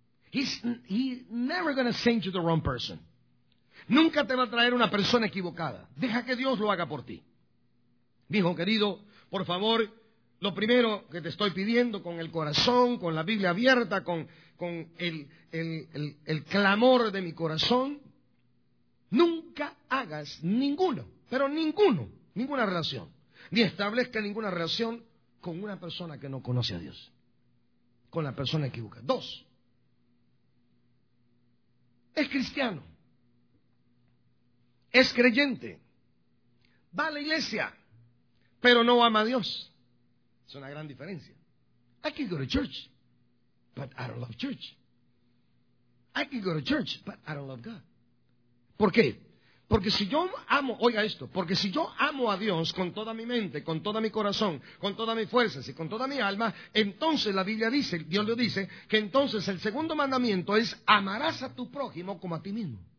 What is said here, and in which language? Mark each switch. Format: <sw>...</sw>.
<en>He's never going to send you the wrong person.</en> <es>Nunca te va a traer una persona equivocada. Deja que Dios lo haga por ti. Mi hijo querido, por favor, lo primero que te estoy pidiendo con el corazón, con la Biblia abierta, con el clamor de mi corazón, nunca hagas ninguna relación, ni establezca ninguna relación con una persona que no conoce a Dios, con la persona equivocada. Dos, es cristiano, es creyente, va a la iglesia, pero no ama a Dios. Es una gran diferencia.</es> <en>I can go to church, but I don't love church. I can go to church, but I don't love God.</en> <es>¿Por qué? Porque si yo amo, oiga esto, porque si yo amo a Dios con toda mi mente, con todo mi corazón, con todas mis fuerzas y con toda mi alma, entonces la Biblia dice, Dios lo dice, que entonces el segundo mandamiento es amarás a tu prójimo como a ti mismo.</es>